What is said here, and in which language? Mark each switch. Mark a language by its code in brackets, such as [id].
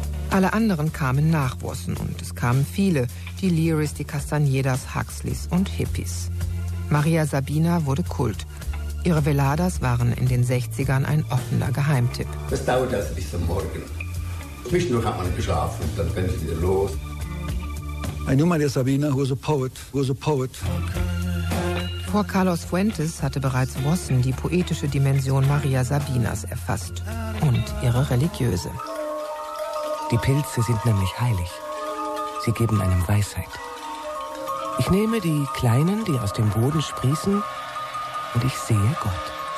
[de] Alle anderen kamen nach Wasson und es kamen viele, die Learys, die Castañedas, Huxleys und Hippies. Maria Sabina wurde Kult. Ihre Veladas waren in den 60ern ein offener Geheimtipp. Das dauert also bis zum Morgen. Zwischendurch hat man geschlafen, dann rennt sie wieder los. [en] I knew Maria Sabina, who was a poet, who was a poet. [de] Vor Carlos Fuentes hatte bereits Wasson die poetische Dimension Maria Sabinas erfasst und ihre religiöse. Die Pilze sind nämlich heilig. Sie geben einem Weisheit. Ich nehme die Kleinen, die aus dem Boden sprießen, und ich sehe Gott.